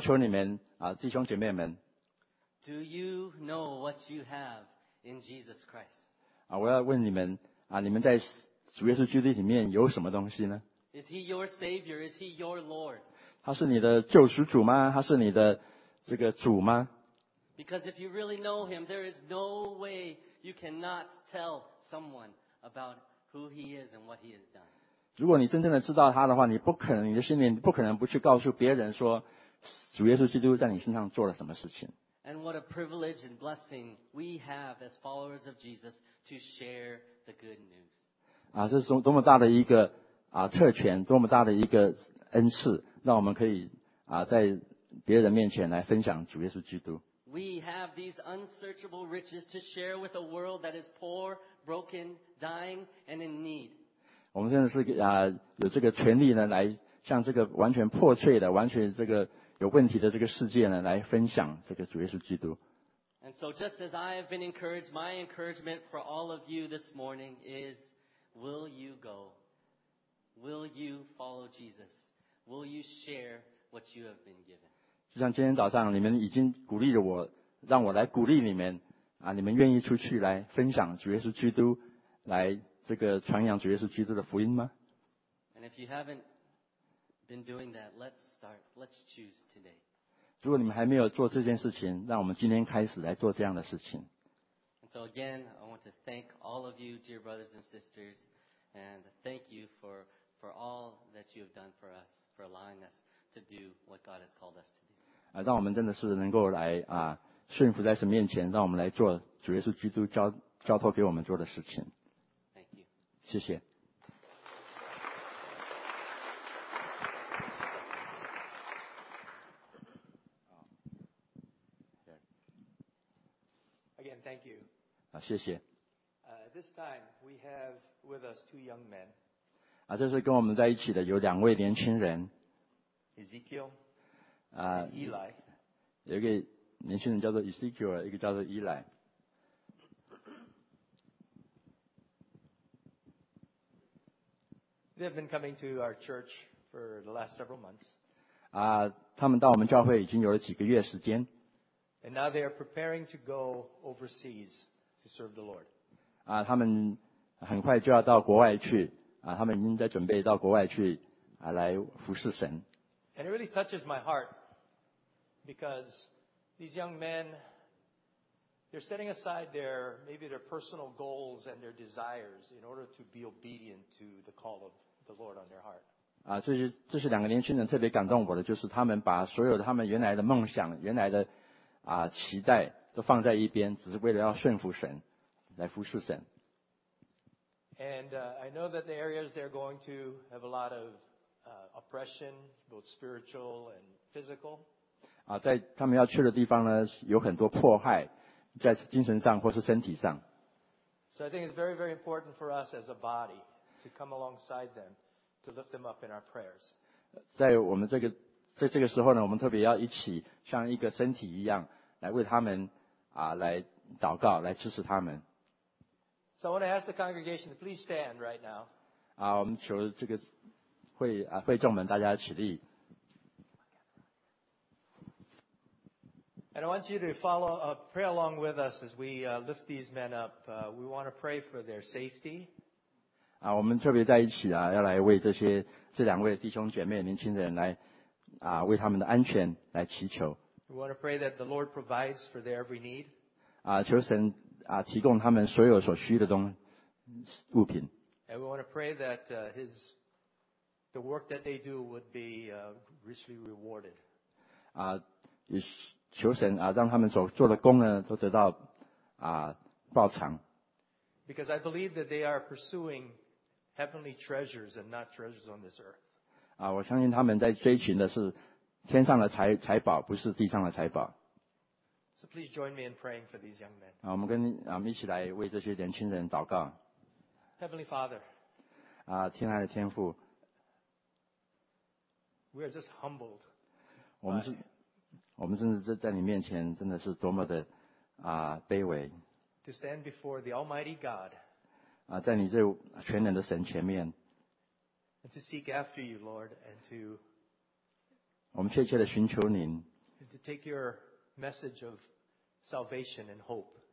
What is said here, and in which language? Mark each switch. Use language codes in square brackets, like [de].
[zh] 我要要求你们，弟兄姐妹们。 [en] Do you know what you have in Jesus Christ? [zh] 我要问你们，你们在主耶稣基督里面有什么东西呢？ [en] Is He your Savior? Is He your Lord? [zh] 他是你的救赎主吗？他是你的这个主吗？ [en] Because if you really know Him, there is no way you cannot tell someone about who He is and what He has done. [zh] 如果你真正的知道他的话，你不可能，你的心里不可能不去告诉别人说，主耶稣基督在你身上做了什么事情。 [en] And what a privilege and blessing we have as followers of Jesus to share the good news. [zh] 啊，这是多么大的一个啊特权，多么大的一个恩赐，让我们可以啊在别人面前来分享主耶稣基督。 [en] We have these unsearchable riches to share with a world that is poor, broken, dying, and in need. [zh] 我们真的是啊有这个权利呢，来向这个完全破碎的、完全这个有问题的这个世界呢，来分享这个主耶稣基督。 [en] And so, just as I have been encouraged, my encouragement for all of you this morning is: Will you go? Will you follow Jesus? Will you share what you have been given? [zh] 就像今天早上，你们已经鼓励了我，让我来鼓励你们啊！你们愿意出去来分享主耶稣基督，来这个传扬主耶稣基督的福音吗 [en] ？And if you haven't been doing that, let's start. Let's choose today. [zh] 如果你们还没有做这件事情，让我们今天开始来做这样的事情。 [en] And so again, I want to thank all of you, dear brothers and sisters, and thank you for all that you have done for us, for allowing us to do what God has called us to do. [zh] 啊，让我们真的是能够来啊顺服在神面前，让我们来做主耶稣基督交托给我们做的事情。 [en] Thank you. [zh] 谢谢。 [en] Thank you. [zh] 啊，谢谢。 [en] This time we have with us two young men. [zh] 啊，这是跟我们在一起的有两位年轻人。 [en] Ezekiel. 啊，Eli. [zh] 有一个年轻人叫做 Ezekiel， 一个叫做 Eli。 [en] They have been coming to our church for the last several months. [zh] 啊，他们到我们教会已经有了几个月时间。 [en] And now they are preparing to go overseas to serve the Lord. [zh] 啊，他们很快就要到国外去啊，他们已经在准备到国外去啊，来服侍神。 [en] And it really touches my heart because these young men, they're setting aside maybe their personal goals and their desires in order to be obedient to the call of the Lord on their heart. [zh] 啊，这是两个年轻人特别感动我的，就是他们把所有他们原来的梦想、原来的啊，期待都放在一边，只是为了要顺服神，来服侍神。 [en] And I know that the areas they're going to have a lot of oppression, both spiritual and physical. [zh] 啊，在他们要去的地方呢，有很多迫害，在精神上或是身体上。 [en] So I think it's very, very important for us as a body to come alongside them to lift them up in our prayers. [zh] 在我们这个。在这个时候呢，我们特别要一起像一个身体一样来为他们啊来祷告，来支持他们。 [en] So I want to ask the congregation to please stand right now. [zh] 啊，我们求这个会众们大家起立。 [en] And I want you to follow pray along with us as we lift these men up. We want to pray for their safety. [zh] 啊，我们特别在一起啊，要来为这两位弟兄姐妹年轻人来。啊，为他们的安全来祈求。 [en] We want to pray that the Lord provides for their every need. [zh] 啊，求神啊，提供他们所有所需的物品。 [en] And we want to pray that the work that they do would be richly rewarded. [zh] 啊，求神啊，让他们所做的工呢，都得到啊报偿。 [en] Because I believe that they are pursuing heavenly treasures and not treasures on this earth. [zh] 啊，我相信他们在追寻的是天上的财宝，不是地上的财宝。 [en] So please join me in praying for these young men. [zh] 啊，我们一起来为这些年轻人祷告。 [en] Heavenly Father. [zh] 啊，天爱的天父。 [en] We are just humbled. [zh] 我们真的在你面前真的是多么的啊卑微。 [en] To stand before the Almighty God. [zh] 啊，在你这全能的神前面。 [en] And to seek after you, Lord, and to [zh] 我们切切地寻求您 [en] and to take your message of salvation and hope.